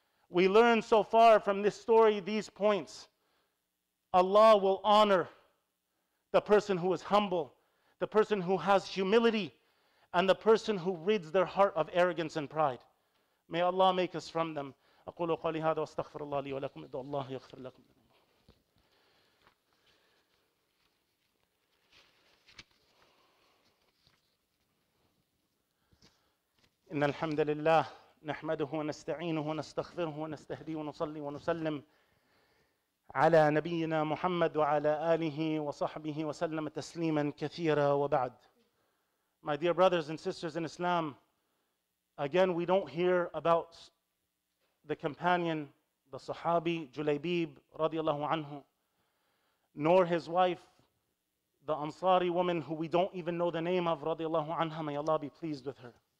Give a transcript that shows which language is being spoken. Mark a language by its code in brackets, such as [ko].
[en] We learn so far from this story, these points. Allah will honor the person who is humble, the person who has humility, and the person who rids their heart of arrogance and pride. May Allah make us from them. [ar] أقول قولي هذا واستغفر الله لي ولكم إذا الله يغفر لكم. إن الحمد لله نحمده ونستعينه ونستغفره ونستهديه ونصلي ونسلم على نبينا محمد وعلى آله وصحبه وسلم تسليما كثيرا وبعد. [en] My dear brothers and sisters in Islam, again we don't hear about the companion, the Sahabi, Julaybeeb, [ar] radiallahu anhu, [en] nor his wife, the Ansari woman who we don't even know the name of, [ar] radiallahu anha, [en] may Allah be pleased with her.